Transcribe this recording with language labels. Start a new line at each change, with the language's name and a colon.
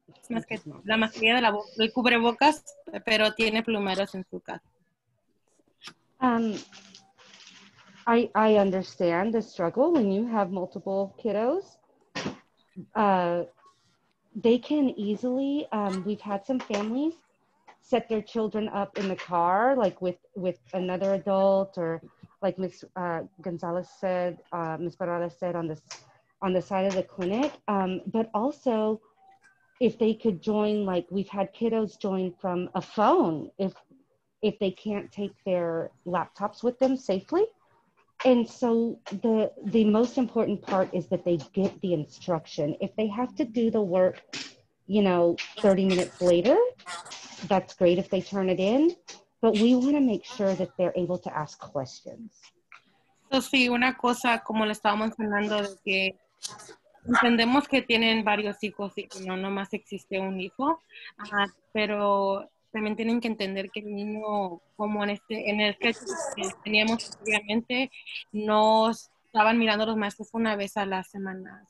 Spanish: Es más que la mascarilla del cubrebocas, pero tiene plumeros en su casa.
English: I understand the struggle when you have multiple kiddos. They can easily, we've had some families set their children up in the car, like with another adult, or like Ms. Gonzalez said, Ms. Barada said, on the side of the clinic. But also, if they could join, like we've had kiddos join from a phone, if they can't take their laptops with them safely. And so the most important part is that they get the instruction. If they have to do the work, you know, 30 minutes later, that's great if they turn it in, but we want to make sure that they're able to ask questions.
Spanish: So sí, una cosa como le estábamos hablando de que entendemos que tienen varios hijos y que no nomás existe un hijo, pero también tienen que entender que el niño, como en el caso que teníamos previamente, no estaban mirando a los maestros una vez a la semana.